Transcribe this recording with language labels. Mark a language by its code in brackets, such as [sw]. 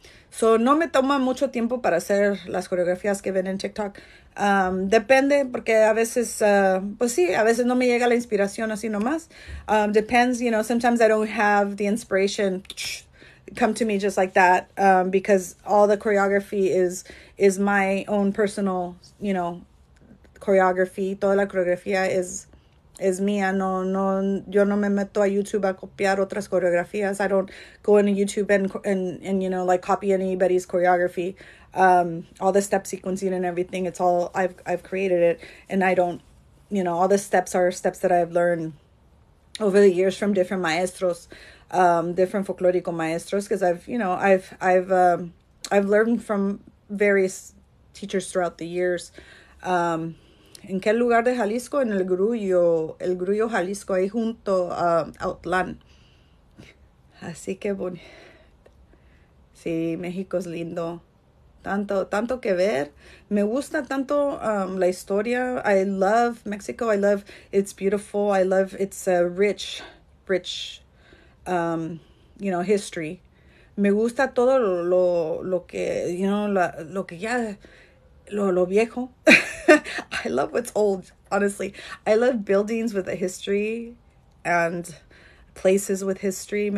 [es] So no me toma mucho tiempo para hacer las coreografías que ven en TikTok. Depende, porque a veces, pues sí, a veces no me llega la inspiración así nomás. [en] Depends, you know, sometimes I don't have the inspiration come to me just like that, because all the choreography is my own personal, you know, choreography. [es] Toda la coreografía es mía. No, yo no me meto a YouTube a copiar otras coreografías. [en] I don't go into YouTube and you know, like copy anybody's choreography. All the step sequencing and everything, it's all I've created it, and I don't, you know, all the steps are steps that I've learned over the years from different maestros, different folklorico maestros, because I've, you know, I've learned from various teachers throughout the years. [es] ¿En qué lugar de Jalisco? En el Grullo Jalisco, ahí junto a Autlán. Así que bonito. Sí, México es lindo. Tanto, tanto que ver. Me gusta tanto la historia. [en] I love Mexico. I love, it's beautiful. I love, it's a rich, rich, you know, history. [es] Me gusta todo lo que, [en] you know, [es] lo que ya, lo viejo. [en] I love what's old, honestly. I love buildings with a history and places with history.